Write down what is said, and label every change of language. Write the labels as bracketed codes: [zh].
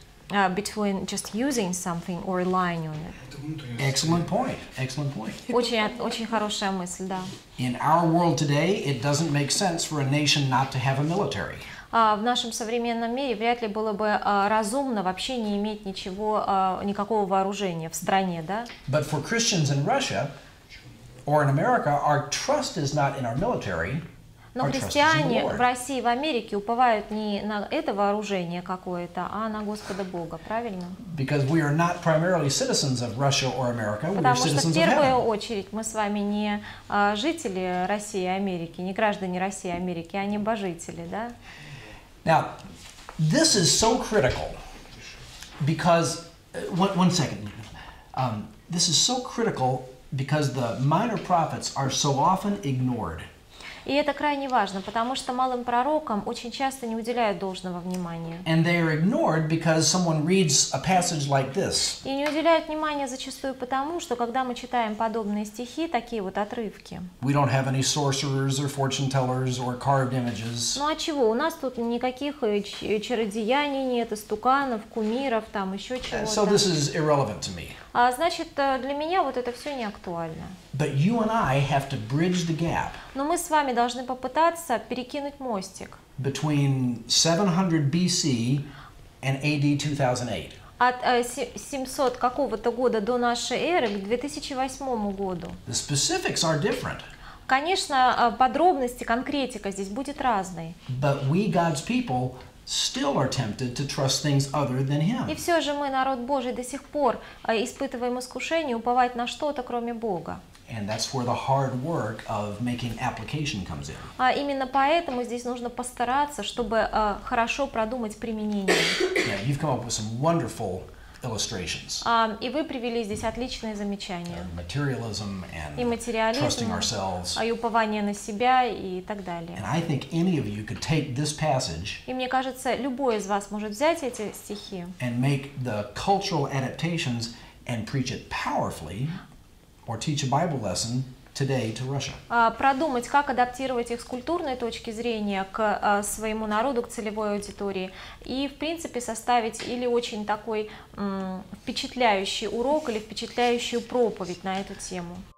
[en] Between just using something or relying on it. Excellent point. [ru] Очень хорошая мысль, да. [en] In our world today, it doesn't make sense for a nation not to have a military. [ru] В нашем современном мире вряд ли было бы разумно вообще не иметь ничего, никакого вооружения в стране, да? [en] But for Christians in Russia or in America, our trust is not in our military. [ru] Но христиане в России, в Америке уповают не на это вооружение какое-то, а на Господа Бога, правильно? [en] Because we are not primarily citizens of Russia or America, we are citizens of heaven. [ru] Потому что в первую очередь мы с вами не жители России и Америки, не граждане России и Америки, а небожители, да? [en] Now, this is so critical because one second. This is so critical because the minor prophets are so often ignored. [ru] И это крайне важно, потому что малым пророкам очень часто не уделяют должного внимания. [en] And they are ignored because someone reads a passage like this. [ru] И не уделяют внимания зачастую потому, что когда мы читаем подобные стихи, такие вот отрывки. [en] We don't have any sorcerers or fortune tellers or carved images. [ru] Ну а чего? У нас тут никаких чародеяний нет, истуканов, кумиров, там еще чего-то. [en] So this is irrelevant to me. [ru] А значит, для меня вот это все не актуально. [en] But you and I have to bridge the gap. [ru] Но мы с вами должны попытаться перекинуть мостик. [en] Between 700 BC and AD 2008. [ru] От 700 какого-то года до нашей эры к 2008 году. [en] The specifics are different. [ru] Конечно, подробности, конкретика здесь будет разной. [en] But we, God's people, still are tempted to trust things other than Him. [ru] И все же мы, народ Божий, до сих пор испытываем искушение уповать на что-то, кроме Бога. [en] And that's where the hard work of making application comes in. [ru] А именно поэтому здесь нужно постараться, чтобы хорошо продумать применение. [en] Yeah, you've come up with some wonderful illustrations. [ru] И вы привели здесь отличные замечания. [en] Materialism and [ru] и материализм, [en] trusting ourselves. [ru] И упование на себя и так далее. [en] And I think any of you could take this passage. [ru] И мне кажется, любой из вас может взять эти стихи. [en] And make the cultural adaptations and preach it powerfully. Or teach a Bible lesson today to Russia. [ru] Продумать, как адаптировать их с культурной точки зрения к своему народу, к целевой аудитории, и, в принципе, составить или очень такой впечатляющий урок, или впечатляющую проповедь на эту тему.